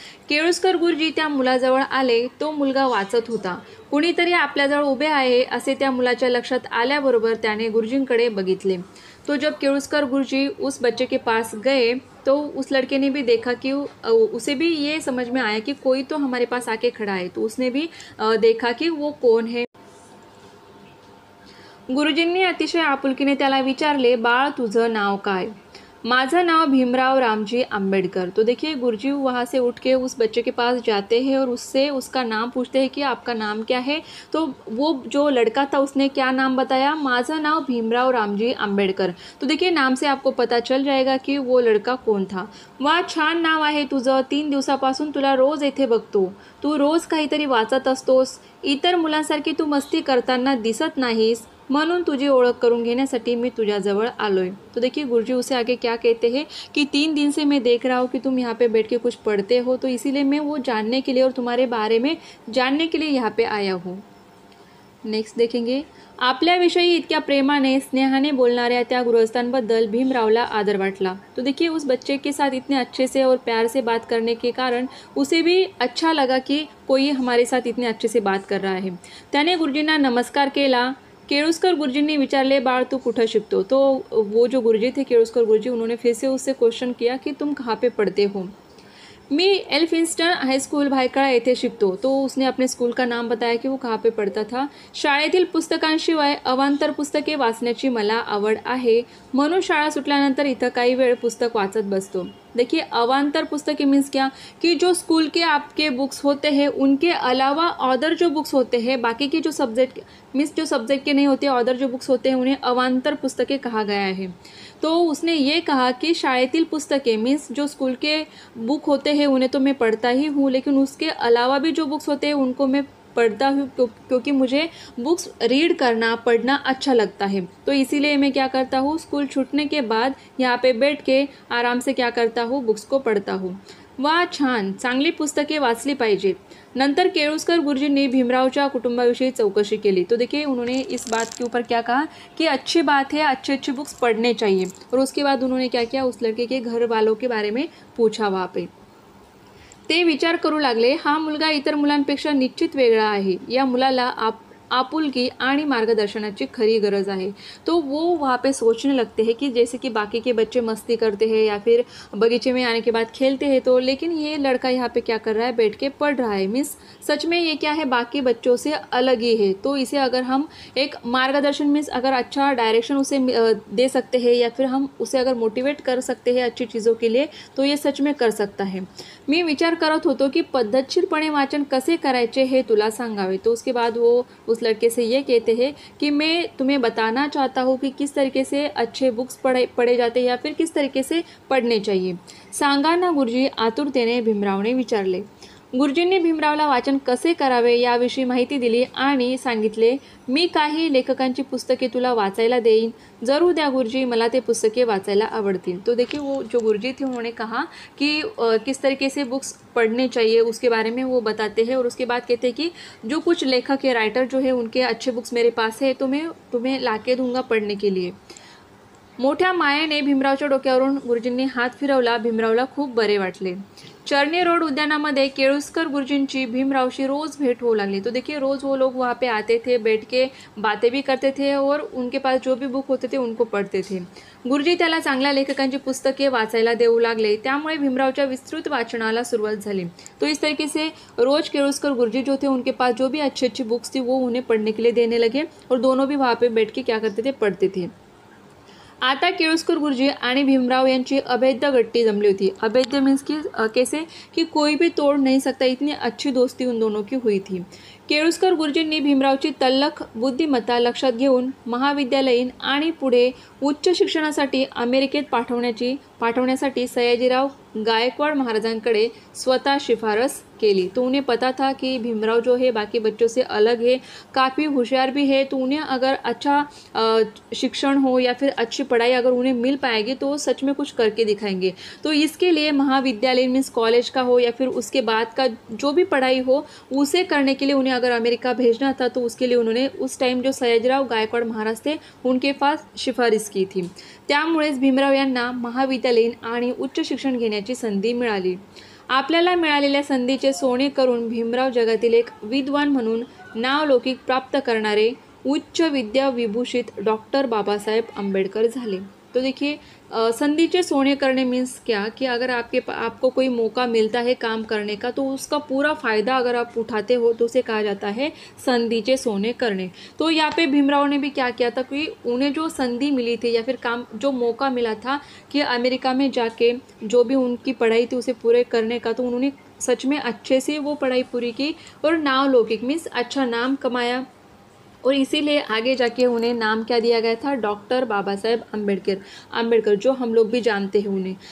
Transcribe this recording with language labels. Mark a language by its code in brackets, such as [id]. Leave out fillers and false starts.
[mr] केळुसकर गुरुजी त्या मुलाजवळ आले, तो मुलगा वाचत होता। कुणीतरी आपल्याजवळ उभे आहे असे त्या मुलाच्या लक्षात आल्याबरोबर त्याने गुरुजींकडे बघितले। [hi] तो जब केळुसकर गुरुजी उस बच्चे के पास गए तो उस लड़के ने भी देखा कि उसे भी ये समझ में आया कि कोई तो हमारे पास आके खड़ा है। तो उसने भी देखा कि वो कौन है। [mr] गुरुजींनी अतिशय आपुलकीने त्याला विचारले, बाळ तुझं नाव काय? माझं नाव भीमराव रामजी आंबेडकर। [hi] तो देखिए, गुरुजी वहाँ से उठ के उस बच्चे के पास जाते हैं और उससे उसका नाम पूछते हैं कि आपका नाम क्या है। तो वो जो लड़का था उसने क्या नाम बताया, [mr] माझा नाव भीमराव रामजी आंबेडकर। [hi] तो देखिए, नाम से आपको पता चल जाएगा कि वो लड़का कौन था। [mr] वाह, छान नाव आहे तुझं, 3 दिवसापासून तुला रोज येथे बघतो, तू रोज काहीतरी वाचत असतोस, इतर मुलांसारखी तू मस्ती करताना दिसत नाहीस, म्हणून तुझी ओळख करून घेण्यासाठी मी तुझ्याजवळ आलोय। [hi] तो देखिए, गुरुजी उसे आगे क्या कहते हैं कि 3 दिन से मैं देख रहा हूँ कि तुम यहाँ पे बैठ के कुछ पढ़ते हो, तो इसीलिए मैं वो जानने के लिए और तुम्हारे बारे में जानने के लिए यहाँ पे आया हूँ। नेक्स्ट देखेंगे, [mr] आपल्याविषयी इतक्या प्रेमाने स्नेहाने बोलणाऱ्या त्या गृहस्थांबद्दल भीमरावला आदर वाटला। [hi] तो देखिए, उस बच्चे के साथ इतने अच्छे से और प्यार से बात करने के कारण उसे भी अच्छा लगा कि कोई हमारे साथ इतने अच्छे से बात कर रहा है। [mr] त्याने गुरुजींना नमस्कार केला। केळुसकर गुरुजींनी विचारले, बाळ तू कुठं शिकतो? [hi] तो वो जो गुरुजी थे केळुसकर गुरुजी, उन्होंने फिर से उससे क्वेश्चन किया कि तुम कहाँ पे पढ़ते हो? [mr] मी एल्फिन्स्टन हायस्कूल भायखळा येथे शिकतो। [hi] तो उसने अपने स्कूल का नाम बताया कि वो कहाँ पे पढ़ता था। [mr] शाळेतील पुस्तकांशिवाय अवांतर पुस्तके वाचण्याची मला आवड आहे, म्हणून शाळा सुटल्यानंतर इथं काही वेळ पुस्तक वाचत बसतो। [hi] देखिए, अवांतर पुस्तके मीन्स क्या, कि जो स्कूल के आपके बुक्स होते हैं उनके अलावा अदर जो बुक्स होते हैं, बाकी के जो सब्जेक्ट मीन्स जो सब्जेक्ट के नहीं होते, अदर जो बुक्स होते हैं उन्हें अवांतर पुस्तकें कहा गया है। तो उसने ये कहा कि [mr] शाळेतील पुस्तके [hi] मीन्स जो स्कूल के बुक होते हैं उन्हें तो मैं पढ़ता ही हूँ, लेकिन उसके अलावा भी जो बुक्स होते हैं उनको मैं पढ़ता हूँ क्योंकि मुझे बुक्स रीड करना पढ़ना अच्छा लगता है। तो इसीलिए मैं क्या करता हूँ, स्कूल छूटने के बाद यहाँ पे बैठ के आराम से क्या करता हूँ, बुक्स को पढ़ता हूँ। [mr] वाह छान, चांगली पुस्तके वाचली पाहिजे। नंतर केळुस्कर गुरुजींनी भीमरावच्या कुटुंबाविषयी चौकशी केली। [hi] तो देखिए उन्होंने इस बात के ऊपर क्या कहा कि अच्छी बात है, अच्छे अच्छे बुक्स पढ़ने चाहिए। और उसके बाद उन्होंने क्या किया, उस लड़के के घर वालों के बारे में पूछा। वहाँ पे [mr] ते विचार करू लागले, हा मुलगा इतर मुलांपेक्षा निश्चित वेगळा आहे, या मुलाला आपुलकी आणि मार्गदर्शनाची खरी गरज आहे। [hi] तो वो वहाँ पे सोचने लगते हैं कि जैसे कि बाकी के बच्चे मस्ती करते हैं या फिर बगीचे में आने के बाद खेलते हैं, तो लेकिन ये लड़का यहाँ पे क्या कर रहा है, बैठ के पढ़ रहा है। मीन्स सच में ये क्या है, बाकी बच्चों से अलग ही है। तो इसे अगर हम एक मार्गदर्शन, मीन्स अगर अच्छा डायरेक्शन उसे दे सकते हैं या फिर हम उसे अगर मोटिवेट कर सकते हैं अच्छी चीज़ों के लिए, तो ये सच में कर सकता है। [mr] मैं विचार करत होतो कि पद्धतशीरपणे वाचन कसे करायचे हे तुला सांगावे। [hi] तो उसके बाद वो उस लड़के से ये कहते हैं कि मैं तुम्हें बताना चाहता हूँ कि किस तरीके से अच्छे बुक्स पढ़े जाते हैं या फिर किस तरीके से पढ़ने चाहिए। [mr] सांगाना गुरुजी, आतुरतेने भीमराव ने विचारले। गुरुजींनी भीमरावला वाचन कसे करावे याविषयी माहिती दिली आणि सांगितले, मी काही लेखकांची पुस्तके तुला वाचायला देईन, जरूर द्या गुरुजी, मला ते पुस्तके वाचायला आवडतील। [hi] तो देखिए वो जो गुरुजी थे उन्होंने कहा कि किस तरीके से बुक्स पढ़ने चाहिए उसके बारे में वो बताते हैं, और उसके बाद कहते हैं कि जो कुछ लेखक या राइटर जो है उनके अच्छे बुक्स मेरे पास है तो मैं तुम्हें ला के दूंगा पढ़ने के लिए। [mr] मोठ्या मायेने भीमरावच्या डोक्यावरून गुरुजींनी हात फिरवला, भीमरावला खूप बरे वाटले। चरणे रोड उद्यानामध्ये केळुस्कर गुरुजींची भीमरावशी रोज भेट होऊ लागली। [hi] तो देखिए रोज वो लोग वहाँ पे आते थे, बैठ के बातें भी करते थे और उनके पास जो भी बुक होते थे उनको पढ़ते थे। [mr] गुरुजी त्याला चांगल्या लेखकांची पुस्तके वाचायला देऊ लागले, त्यामुळे भीमरावच्या विस्तृत वाचनाला सुरुवात झाली। [hi] तो इस तरीके से रोज केळुस्कर गुरुजी जो थे उनके पास जो भी अच्छी अच्छी बुक्स थी वो उन्हें पढ़ने के लिए देने लगे, और दोनों भी वहाँ पे बैठ के क्या करते थे, पढ़ते थे। [mr] आता केळुस्कर गुरुजी आणि भीमराव यांची अभेद्य गट्टी जमली होती। [hi] अभेद्य मीन्स की कैसे, की कोई भी तोड़ नहीं सकता, इतनी अच्छी दोस्ती उन दोनों की हुई थी। [mr] केळुस्कर गुरुजींनी भीमरावची तल्लख बुद्धिमत्ता लक्षात घेऊन महाविद्यालयीन आणि पुढे उच्च शिक्षणासाठी अमेरिकेत पाठवण्यासाठी सयाजीराव गायकवाड महाराजांकडे स्वतः शिफारस केली। [hi] तो उन्हें पता था कि भीमराव जो है बाकी बच्चों से अलग है, काफ़ी होशियार भी है, तो उन्हें अगर अच्छा शिक्षण हो या फिर अच्छी पढ़ाई अगर उन्हें मिल पाएगी तो सच में कुछ करके दिखाएंगे। तो इसके लिए महाविद्यालय मीन्स कॉलेज का हो या फिर उसके बाद का जो भी पढ़ाई हो उसे करने के लिए उन्हें अगर अमेरिका भेजना था तो उसके लिए उन्होंने उस टाइम जो सयाजीराव गायकवाड़ महाराज थे उनके पास सिफारिश की थी। [mr] त्यामुळेच भीमराव यांना महाविद्यालयीन आणि उच्च शिक्षण घेण्याची संधी मिळाली। आपल्याला मिळालेल्या संधीचे सोने करून भीमराव जगातील एक विद्वान म्हणून नावलौकिक प्राप्त करणारे उच्च विद्या विभूषित डॉक्टर बाबासाहेब आंबेडकर झाले। [hi] तो देखिए [mr] संधीचे सोने करणे [hi] मीन्स क्या, कि अगर आपके आपको कोई मौका मिलता है काम करने का तो उसका पूरा फायदा अगर आप उठाते हो तो उसे कहा जाता है संधीचे सोने करणे। तो यहाँ पे भीमराव ने भी क्या किया था कि उन्हें जो संधि मिली थी या फिर काम जो मौका मिला था कि अमेरिका में जाके जो भी उनकी पढ़ाई थी उसे पूरे करने का, तो उन्होंने सच में अच्छे से वो पढ़ाई पूरी की और नावलौकिक मीन्स अच्छा नाम कमाया, और इसीलिए आगे जाके उन्हें नाम क्या दिया गया था, डॉक्टर बाबा साहेब आंबेडकर जो हम लोग भी जानते हैं उन्हें।